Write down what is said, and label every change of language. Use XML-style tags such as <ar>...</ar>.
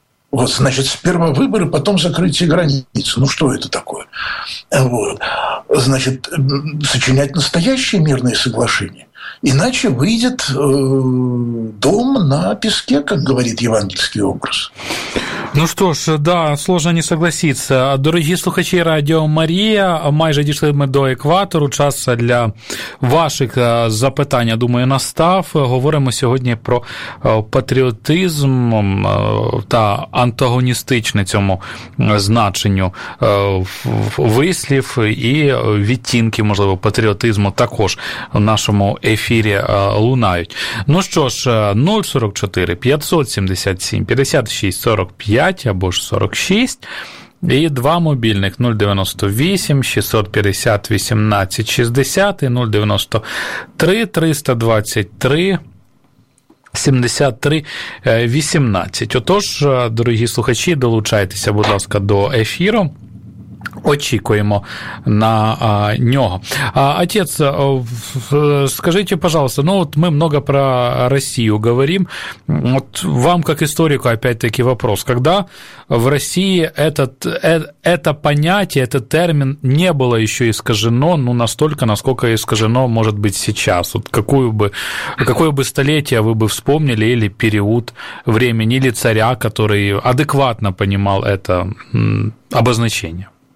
<ru>Вот, значит, сперва выборы, потом закрытие границ. Ну что это такое? Вот. Значит, сочинять настоящие мирные соглашения. Иначе выйдет дом на песке, как говорит евангельский образ. Ну что ж, да, сложно не согласиться.</ru> <uk>Дорогі слухачі Радіо Марія, майже дійшли ми до екватору. Час для ваших запитань, думаю, настав. Говоримо сьогодні про патріотизм та антагоністичне цьому значенню вислів і відтінки, можливо, патріотизму також в нашому ефірі лунають. Ну що ж, 044-577-5645 або ж 46, і два мобільних 098-650-1860 і 093-323-73-18. Отож, дорогі слухачі, долучайтеся, будь ласка, до ефіру. очікуємо на нього.</uk> <ru>Отец, скажите, пожалуйста, ну вот мы много про Россию говорим, вот вам как историку опять-таки вопрос, когда в России это понятие, этот термин не было еще искажено, ну настолько, насколько искажено может быть сейчас, вот какое бы столетие вы бы вспомнили, или период времени, или царя, который адекватно понимал это обозначение?</ru>